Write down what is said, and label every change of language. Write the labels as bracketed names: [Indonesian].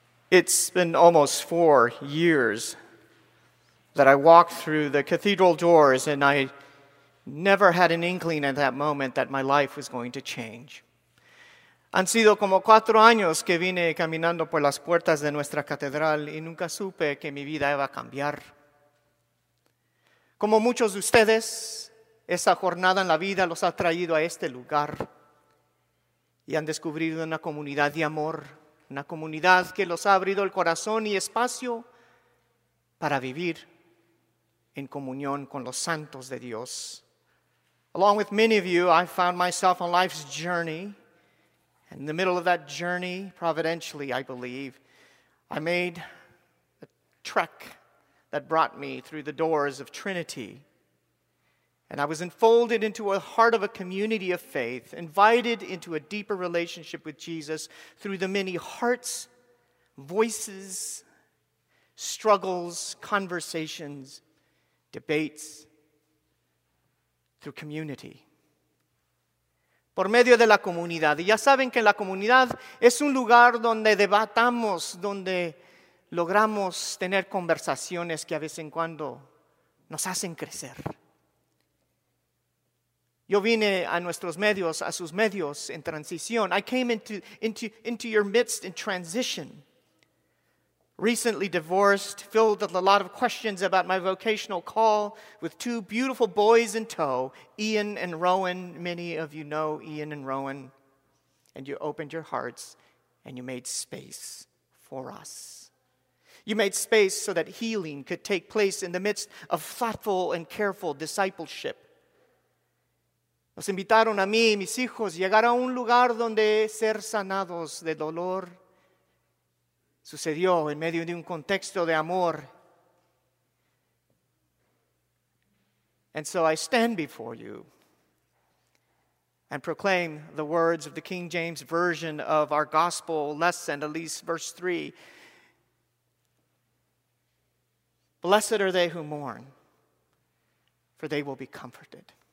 [English] It's been almost 4 years that I walked through the cathedral doors and I never had an inkling at that moment that my life was going to change. [Spanish] Han sido como 4 años que vine caminando por las puertas de nuestra catedral y nunca supe que mi vida iba a cambiar. Como muchos de ustedes, esa jornada en la vida los ha traído a este lugar y han descubierto una comunidad de amor, una comunidad que los ha abrido el corazón y espacio para vivir en comunión con los santos de Dios. [English] Along with many of you, I found myself on life's journey. In the middle of that journey, providentially, I believe, I made a trek that brought me through the doors of Trinity. And I was enfolded into a heart of a community of faith, invited into a deeper relationship with Jesus through the many hearts, voices, struggles, conversations, debates, through community. [Spanish] Por medio de la comunidad. Y ya saben que la comunidad es un lugar donde debatamos, donde logramos tener conversaciones que a veces en cuando nos hacen crecer. Yo vine a nuestros medios, a sus medios en transición. [English] I came into your midst in transition. Recently divorced, filled with a lot of questions about my vocational call, with 2 beautiful boys in tow, Ian and Rowan. Many of you know Ian and Rowan, and you opened your hearts and you made space for us. You made space so that healing could take place in the midst of thoughtful and careful discipleship. [Spanish] Nos invitaron a mí y mis hijos llegar a un lugar donde ser sanados de dolor. Sucedió en medio de un contexto de amor. [English] And so I stand before you and proclaim the words of the King James Version of our gospel lesson, at least verse 3. Blessed are they who mourn, for they will be comforted.